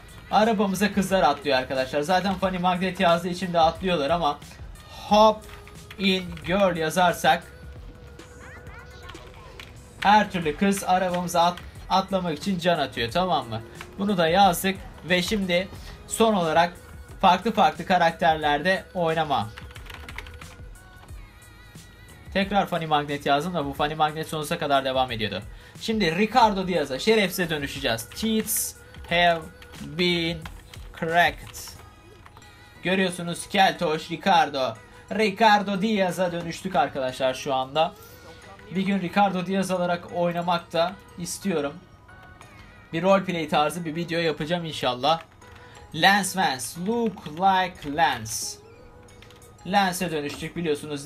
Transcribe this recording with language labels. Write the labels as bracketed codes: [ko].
[tr] Arabamıza kızlar atlıyor arkadaşlar. Zaten Funny Magnet yazdığı için de atlıyorlar ama [en] hop in girl [tr] yazarsak her türlü kız arabamıza atlamak için can atıyor, tamam mı? Bunu da yazdık ve şimdi son olarak farklı farklı karakterlerde oynama. Tekrar Funny Magnet yazdım da bu Funny Magnet sonuza kadar devam ediyordu. Şimdi Ricardo Diaz'a, şerefsize dönüşeceğiz. [en] Cheats have been cracked. [tr] Görüyorsunuz Keltoş Ricardo. Ricardo Diaz'a dönüştük arkadaşlar şu anda. Bir gün Ricardo Diaz olarak oynamak da istiyorum. Bir roleplay tarzı bir video yapacağım inşallah. Lance Vance. [en] Look like Lance. [tr] Lance'e dönüştük biliyorsunuz.